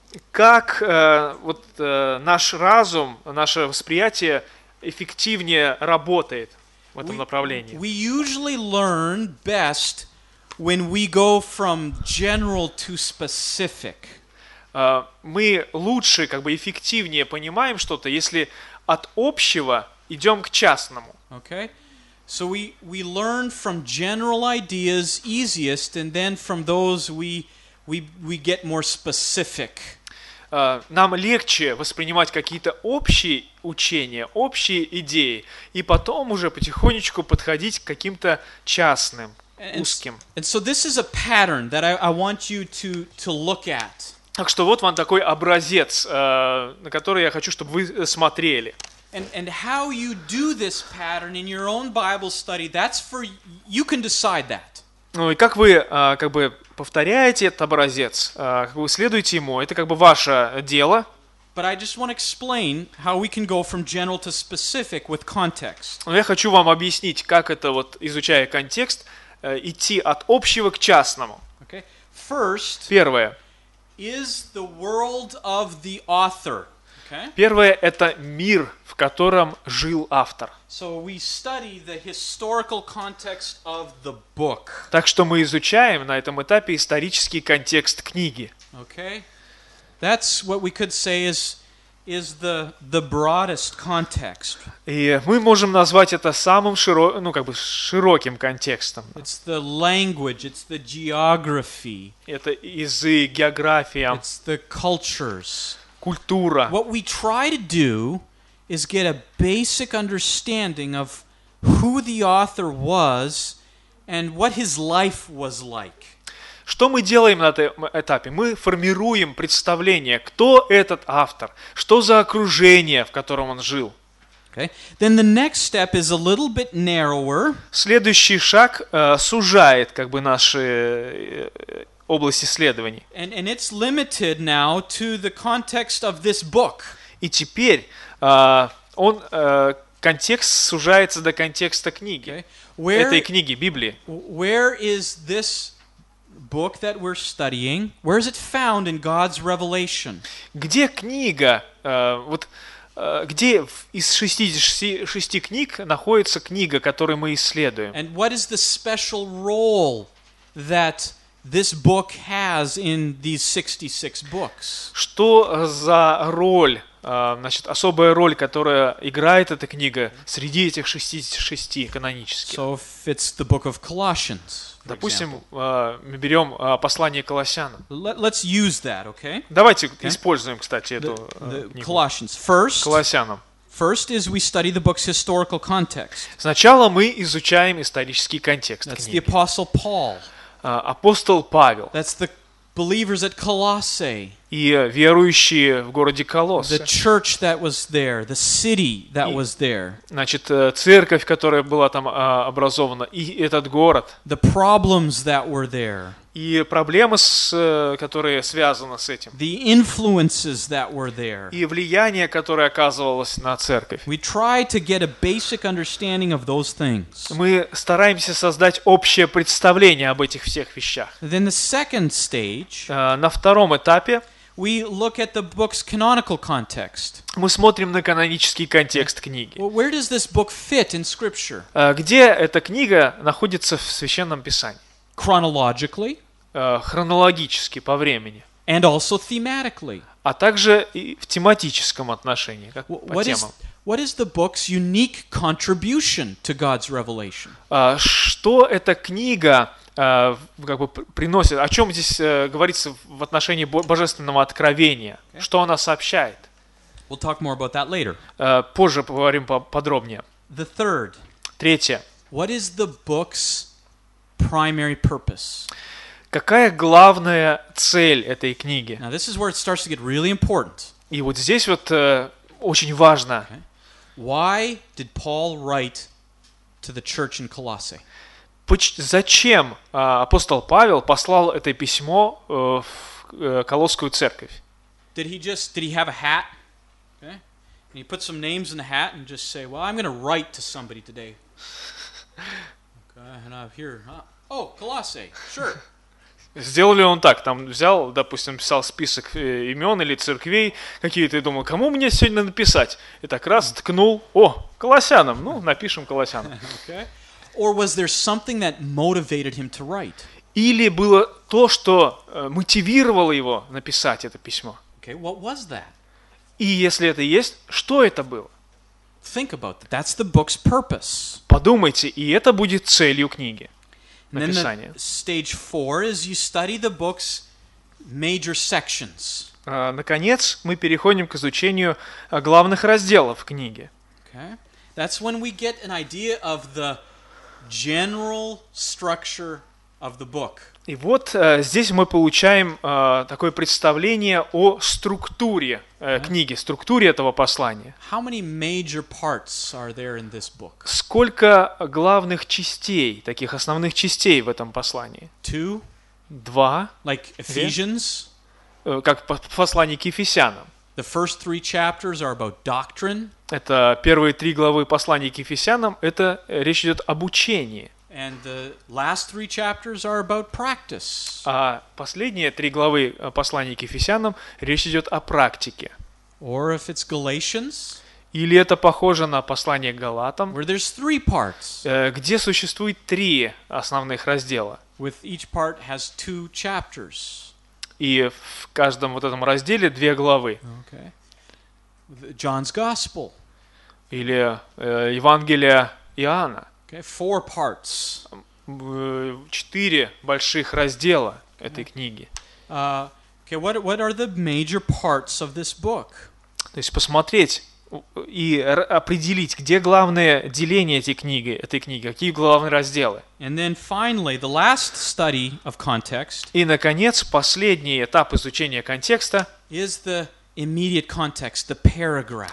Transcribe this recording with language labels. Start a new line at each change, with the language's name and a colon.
Russian: Как вот, наш разум, наше восприятие эффективнее работает в этом направлении?
English: We usually learn best when we go from general to specific.
Russian: Мы лучше, как бы эффективнее понимаем что-то, если от общего идем к частному.
English: Okay. So we learn from general ideas easiest, and then from those we get more specific.
Russian: Нам легче воспринимать какие-то общие учения, общие идеи, и потом уже потихонечку подходить к каким-то частным, узким.
English: And so this is a pattern that I want you to look at.
Russian: Так что вот вам такой образец, на который я хочу, чтобы вы смотрели.
English: And how you do this pattern in your own Bible study, that's for you can decide that.
Russian: Ну и как вы как бы повторяете этот образец, как вы следуете ему, это как бы ваше дело.
English: But I just want to explain how we can go from general to specific with context.
Russian: Но я хочу вам объяснить, как это вот изучая контекст, идти от общего к частному.
English: Okay. First.
Russian: Первое.
English: Is the world of the author. Okay.
Russian: Первое – это мир, в котором жил автор.
English: So we study the historical context of the book.
Russian: Так что мы изучаем на этом этапе исторический контекст книги.
English: Okay. That's what we could say is the broadest context.
Russian: И мы можем назвать это самым широким, ну как бы широким контекстом.
English: It's the language, it's the geography.
Russian: Это язык, география.
English: It's the cultures.
Russian: Культура.
English: What we try to do is get a basic understanding of who the author was and what his life was like.
Russian: Что мы делаем на этом этапе? Мы формируем представление, кто этот автор, что за окружение, в котором он жил.
English: Okay. Then the next step is a little bit narrower.
Russian: Следующий шаг сужает как бы наши область исследований.
English: And it's limited now to the context of this book.
Russian: И теперь он контекст сужается до контекста книги.
English: Okay. Where,
Russian: этой книги, Библии.
English: Where is this book that we're studying, where is it found in God's revelation?
Russian: Где книга, вот, где из 66 книг находится книга, которую мы исследуем?
English: And what is the special role that this book has in these 66 books?
Russian: Что за роль значит, особая роль, которая играет эта книга среди этих 66 канонических.
English: So if it's the book of Colossians,
Russian: допустим, мы берем послание Колоссянам.
English: Let's use that, okay?
Russian: Давайте
English: okay?
Russian: используем, кстати, эту книгу.
English: Colossians. First,
Russian: Колоссянам.
English: First is we study the book's historical context.
Russian: Сначала мы изучаем исторический контекст
English: That's
Russian: книги.
English: The Apostle Paul.
Russian: Апостол Павел.
English: That's the believers at Colossae.
Russian: И верующие в городе Колосс.
English: The church that was there, the city that was there.
Russian: Значит, церковь, которая была там образована, и этот город.
English: The problems that were there.
Russian: И проблемы, которые связаны с этим.
English: The influences that were there.
Russian: И влияние, которое оказывалось на церковь.
English: We try to get a basic understanding of those things.
Russian: Мы стараемся создать общее представление об этих всех вещах.
English: Then the second stage.
Russian: На втором этапе.
English: We look at the book's canonical context.
Russian: Мы смотрим на канонический контекст книги.
English: Well, where does this book fit in Scripture?
Russian: Где эта книга находится в Священном Писании?
English: Chronologically,
Russian: хронологически по времени,
English: and also thematically,
Russian: а также и в тематическом отношении, как по темам.
English: What is the book's unique contribution to God's revelation?
Russian: Что эта книга как бы приносит? О чем здесь говорится в отношении божественного откровения? Okay. Что она сообщает?
English: We'll talk more about that later.
Russian: Позже поговорим подробнее.
English: The third.
Russian: Третье.
English: What is the book's primary purpose.
Russian: Какая главная цель этой книги?
English: Now this is where it starts to get really important.
Russian: И вот здесь вот очень важно.
English: Okay. Why did Paul write to the church in Colossae?
Russian: Зачем апостол Павел послал это письмо в Колосскую церковь?
English: Did he have a hat? Okay. And he put some names in the hat and just say, "Well, I'm going to write to somebody today." Okay, and I'm here. Oh, Colossae, sure.
Russian: Сделал ли он так? Там взял, допустим, писал список имен или церквей какие-то и думал, кому мне сегодня написать? И так раз, ткнул. О, Колоссянам. Ну, напишем Колоссянам.
English: Okay. Or was there something that motivated him to write?
Russian: Или было то, что мотивировало его написать это письмо?
English: Okay, what was that?
Russian: И если это есть, что это было?
English: Think about that. That's the book's purpose.
Russian: Подумайте, и это будет целью книги.
English: And then the stage four is you study the book's major sections.
Russian: Наконец, мы переходим к изучению главных разделов книги.
English: Okay. That's when we get an idea of the general structure of the book.
Russian: И вот здесь мы получаем такое представление о структуре книги, структуре этого послания.
English: How many major parts are there in this book?
Russian: Сколько главных частей, таких основных частей в этом послании?
English: Two.
Russian: Два.
English: Like Ephesians.
Russian: Как послание к Ефесянам.
English: The first three chapters are about doctrine.
Russian: Это первые три главы послания к Ефесянам, это речь идет об учении.
English: And the last three chapters are about practice.
Russian: А последние три главы послания к Ефесянам речь идет о практике.
English: Or if it's Galatians,
Russian: или это похоже на послание к Галатам,
English: where there's three parts,
Russian: где существует три основных раздела.
English: With each part has two chapters.
Russian: И в каждом вот этом разделе две главы.
English: Okay. John's Gospel.
Russian: Или Евангелие Иоанна.
English: Four parts.
Russian: Четыре больших раздела этой книги.
English: Okay, what are the major parts of this book?
Russian: То есть посмотреть и определить, где главное деление этой книги, какие главные разделы.
English: And then finally, the last study of context.
Russian: И наконец, последний этап изучения контекста.
English: Is the immediate context, the paragraph.